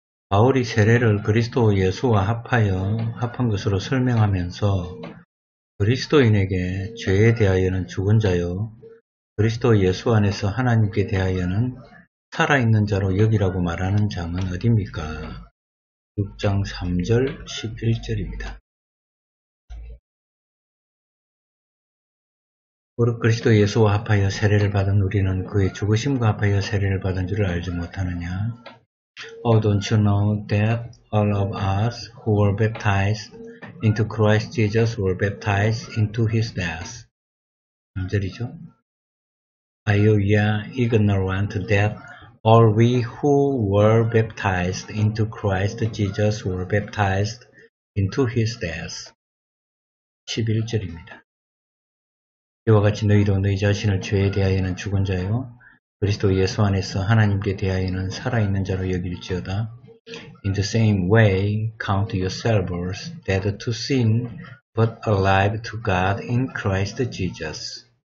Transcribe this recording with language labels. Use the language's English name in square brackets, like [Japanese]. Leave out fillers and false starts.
[Korean] 바울이 세례를 그리스도 예수와 합하여 합한 것으로 설명하면서 그리스도인에게 죄에 대하여는 죽은 자요 그리스도 예수 안에서 하나님께 대하여는 살아있는 자로 여기라고 말하는 장은 어디입니까? 6장 3절 11절입니다. 그리스도 예수와 합하여 세례를 받은 우리는 그의 죽으심과 합하여 세례를 받은 줄을 알지 못하느냐? [English] Oh, don't you know that all of us who were baptized into Christ Jesus were baptized into his death? [Korean] 3절이죠. [English] Are you ignorant that all we who were baptized into Christ Jesus were baptized into his death? [Korean] 11절입니다. 이와 같이 너희도 너희 자신을 죄에 대하여는 죽은 자요 그리스도 예수 안에서 하나님께 대하여는 살아있는 자로 여길지어다. [English] In the same way, count yourselves dead to sin, but alive to God in Christ Jesus.